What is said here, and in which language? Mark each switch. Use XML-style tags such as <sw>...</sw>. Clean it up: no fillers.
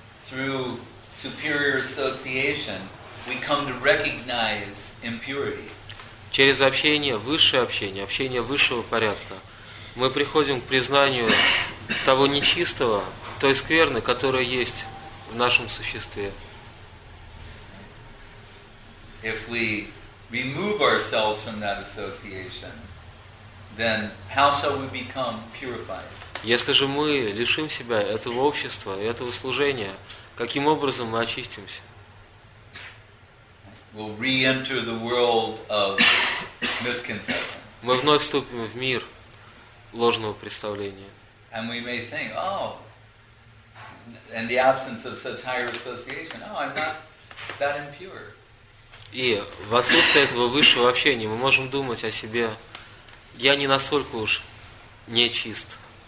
<en>Through superior association, we come to recognize impurity.</en> <ru>Через общение, высшее общение, общение высшего порядка, мы приходим к признанию того нечистого, той скверны, которая есть в нашем существе.</ru> <en>If we remove ourselves from that association, then how shall we become purified?</en> <ru>Если же мы лишим себя этого общества и этого служения, каким образом мы очистимся?</ru> <en>We'll re-enter the world of misconception.</en> <ru>Мы вновь вступим в мир ложного представления.</ru> <en>And we may think, oh, and the absence of such higher association, oh, I'm not that impure.</en> <ru>И в отсутствие этого высшего общения мы можем думать о себе, я не настолько уж нечист.</ru>